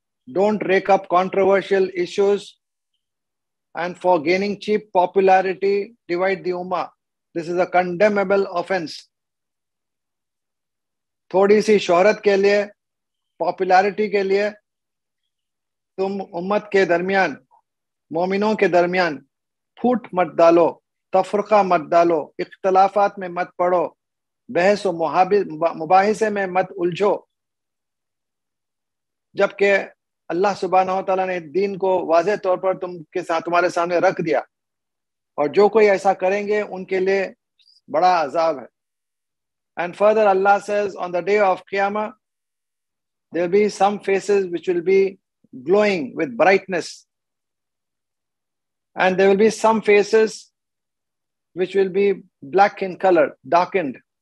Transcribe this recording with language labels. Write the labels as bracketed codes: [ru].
[en] Don't rake up controversial issues and for gaining cheap popularity divide the ummah. This is a condemnable offense. [ur] تھوڑی سی شہرت کے لیے, پاپولارٹی کے لیے تم امت کے درمیان, مومنوں کے درمیان پھوٹ مت ڈالو, تفرقہ مت ڈالو, اختلافات میں مت پڑو, بحث و مباحثے میں مت الجھو, جبکہ اللہ سبحانہ و تعالیٰ نے دین کو واضح طور پر تم کے ساتھ تمہارے سامنے رکھ دیا, اور جو کوئی ایسا کریں گے ان کے لیے بڑا عذاب ہے. [en] And further Allah says, on the day of Qiyamah, there will be some faces which will be glowing with brightness. And there will be some faces which will be black in color, darkened.